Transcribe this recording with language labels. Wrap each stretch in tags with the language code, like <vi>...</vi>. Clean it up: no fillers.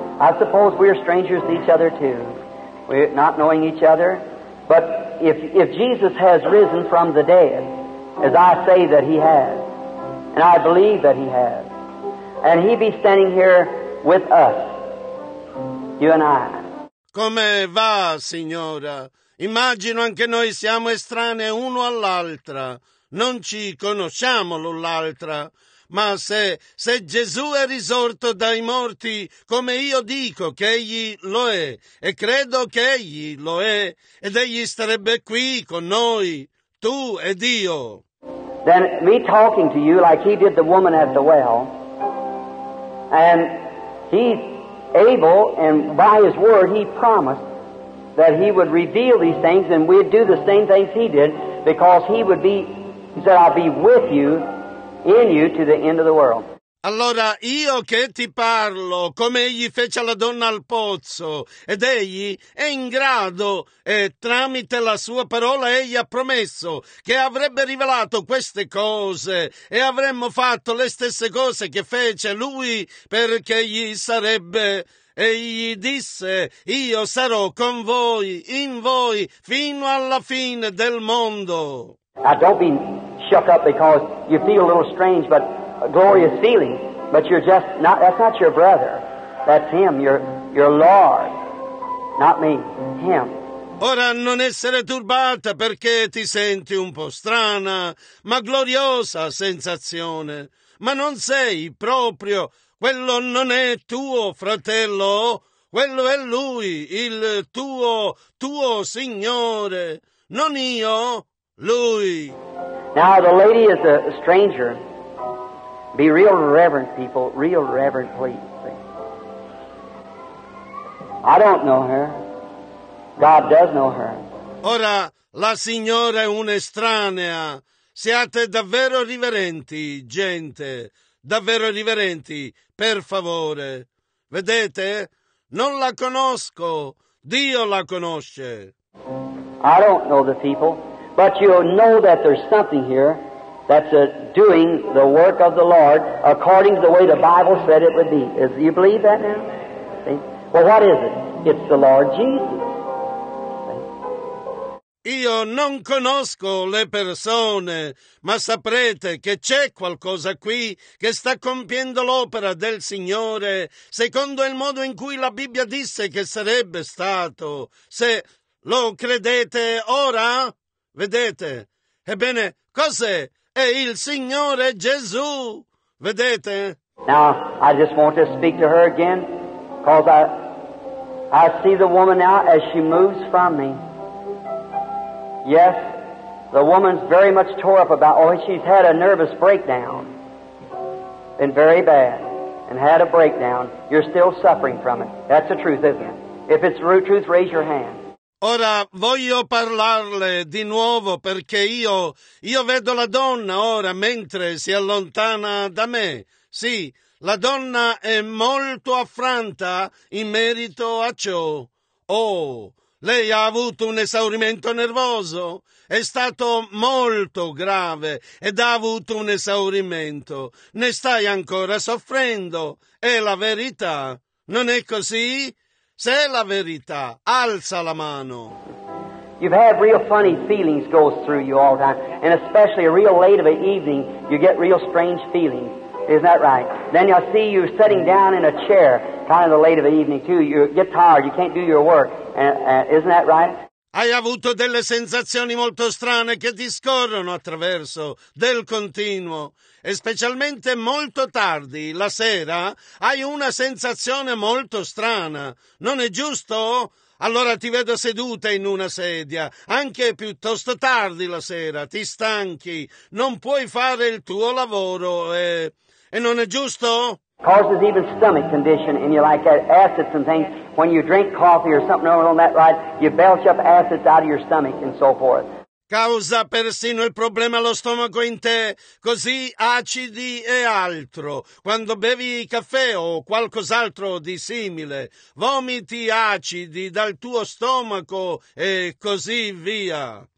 <en>I suppose we are strangers to each other too. We're not knowing each other. But if Jesus has risen from the dead, as I say that he has, and I believe that he has, and he be standing here with us, you and I.</en> <it>Come va, signora? Immagino anche noi siamo estranei uno all'altra, non ci conosciamo l'un l'altra, ma se Gesù è risorto dai morti, come io dico che Egli lo è, e credo che Egli lo è, ed Egli starebbe qui con noi, tu ed io.</it> <en>Then me talking to you like he did the woman at the well, and he's able, and by his word he promised, that he would reveal these things and we'd do the same things he did because he would be, he said, I'll be with you, in you, to the end of the world.</en> <it>Allora, io che ti parlo, come egli fece alla donna al pozzo, ed egli è in grado, e tramite la sua parola egli ha promesso che avrebbe rivelato queste cose, e avremmo fatto le stesse cose che fece lui, perché gli sarebbe... Egli disse, io sarò con voi, in voi, fino alla fine del mondo.</it> <en>Now don't be shook up because you feel a little strange, but a glorious feeling. But you're just not, that's not your brother. That's him, your Lord. Not me, him.</en> <it>Ora non essere turbata perché ti senti un po' strana, ma gloriosa sensazione. Ma non sei proprio... Quello non è tuo fratello, quello è lui, il tuo signore, non io, lui.</it> <en>Now the lady is a stranger. Be real reverent, people, real reverent, please. I don't know her. God does know her.</en> <it>Ora la signora è un'estranea. Siate davvero riverenti, gente. Davvero riverenti, per favore. Vedete? Non la conosco. Dio la conosce.</it> <en>I don't know the people. But you'll know that there's something here that's doing the work of the Lord according to the way the Bible said it would be. Do you believe that now? See? Well, what is it? It's the Lord Jesus.</en> <it>Io non conosco le persone, ma saprete che c'è qualcosa qui che sta compiendo l'opera del Signore secondo il modo in cui la Bibbia disse che sarebbe stato. Se lo credete ora, vedete. Ebbene, cos'è? È il Signore Gesù. Vedete?</it> <en>Now, I just want to speak to her again, because I see the woman now as she moves from me. Yes, the woman's very much tore up about, oh, she's had a nervous breakdown. Been very bad and had a breakdown. You're still suffering from it. That's the truth, isn't it? If it's the truth, raise your hand.</en> <it>Ora voglio parlarle di nuovo perché io vedo la donna ora mentre si allontana da me. Sì, la donna è molto affranta in merito a ciò. Oh, lei ha avuto un esaurimento nervoso, è stato molto grave ed ha avuto un esaurimento. Ne stai ancora soffrendo, è la verità, non è così? Se è la verità, alza la mano.</it> <en>You've had real funny feelings go through you all the time, and especially real late of an evening, you get real strange feelings. Isn't that right? Then you'll see you sitting down in a chair, kind of the late of the evening too. You get tired, you can't do your work. Isn't that right?</en> <it>Hai avuto delle sensazioni molto strane che ti scorrono attraverso del continuo, e specialmente molto tardi, la sera, hai una sensazione molto strana. Non è giusto? Allora ti vedo seduta in una sedia, anche piuttosto tardi la sera, ti stanchi, non puoi fare il tuo lavoro e non è giusto?</it> <en>Causes even stomach condition and you like acids and things. When you drink coffee or something on that right, you belch up acids out of your stomach and so forth.</en> <it>Causa persino il problema allo stomaco in te, così acidi e altro. Quando bevi caffè o qualcos'altro di simile, vomiti acidi dal tuo stomaco e così via.</it>